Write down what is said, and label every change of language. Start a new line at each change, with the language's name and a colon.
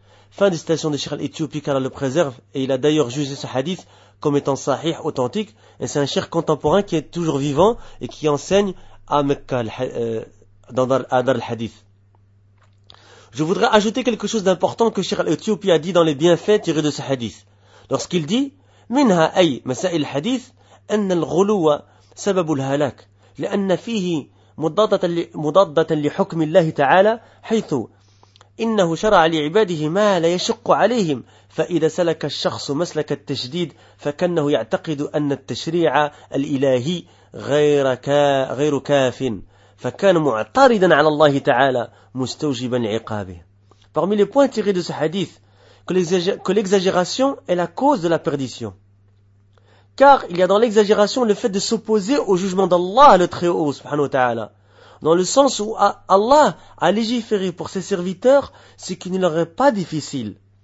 French: Fin de citation de Cheikh al-Ethiopie, qu'Allah le préserve, et il a d'ailleurs jugé ce hadith comme étant sahih, authentique, et c'est un cheikh contemporain qui est toujours vivant et qui enseigne à Mecca, à Dar al-Hadith. Je voudrais ajouter quelque chose d'important que Cheikh al-Ethiopie a dit dans les bienfaits tirés de ce hadith. Lorsqu'il dit,
Arabic: « Minha ay, masail hadith, anna al-ghulouwa sababu al-halak, l'anna fihi mudaddatan li hukmi Allahi ta'ala, haythu, إنه شرع لعباده ما لا يشق عليهم فإذا سلك الشخص مسلك التشديد فكأنه يعتقد أن التشريع الإلهي غير كاف فكان معترضا على الله تعالى مستوجبا عقابه.
French: Parmi les points tirés de ce hadith, que l'exagération est la cause de la perdition. Car il y a dans l'exagération le fait de s'opposer au jugement d'Allah le Très-Haut, subhanahu wa ta'ala. Dans le sens où Allah a légiféré pour ses serviteurs ce qui ne leur est pas difficile.